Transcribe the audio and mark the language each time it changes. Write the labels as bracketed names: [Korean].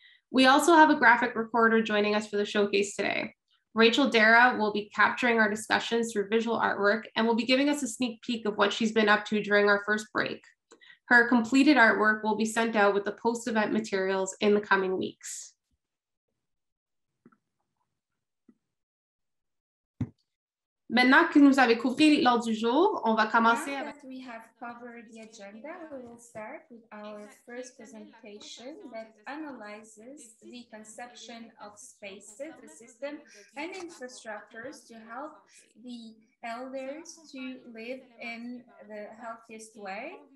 [English] We also have a graphic recorder joining us for the showcase today. Rachel Dara will be capturing our discussions through visual artwork and will be giving us a sneak peek of what she's been up to during our first break. Her completed artwork will be sent out with the post-event materials in the coming weeks. [French] Maintenant que nous avons couvert l'ordre du jour, on va commencer avec... [English] Now that we have covered the agenda, we will start with our first presentation that analyzes the conception of spaces, the system, and infrastructures to help the elders to live in the healthiest way.